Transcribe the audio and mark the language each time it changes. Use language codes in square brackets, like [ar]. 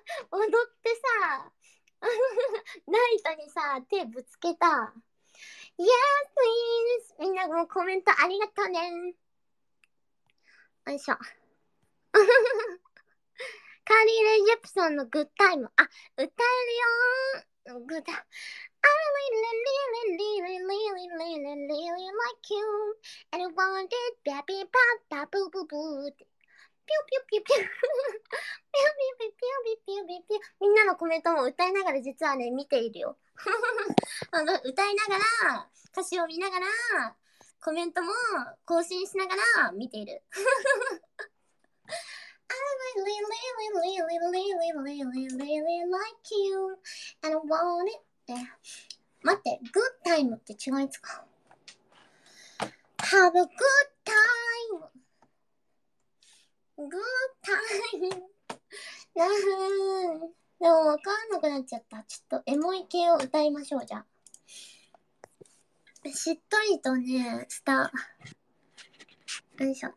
[ja] 踊ってさ、ナイトにさ、手ぶつけた。イエーイプリーズ。みんなもコメントありがとうね。よいしょ。カーリー・レイ・ジェプソンのグッタイム。あ、歌えるよー。グッタイム。 [en] I really, really, really, really, really, really like you. And I want it, baby, pop, pop, boo, boo, boo. Pew, pew, pew, pew. Pew, pew, pew, pew, pew, pew, pew, pew. [ja] みんなのコメントも歌いながら実はね、見ているよ。歌いながら、歌詞を見ながら、コメントも更新しながら見ている。 [en] I really, really, really, really, really, really like you. And I want it. [ja] 待って、グッタイムって違いつか。 [en] Have a good time! Good time! なふーん。 [ja] でも分かんなくなっちゃった。ちょっとエモい系を歌いましょう、じゃあ。しっとりとね、スター。よいしょ。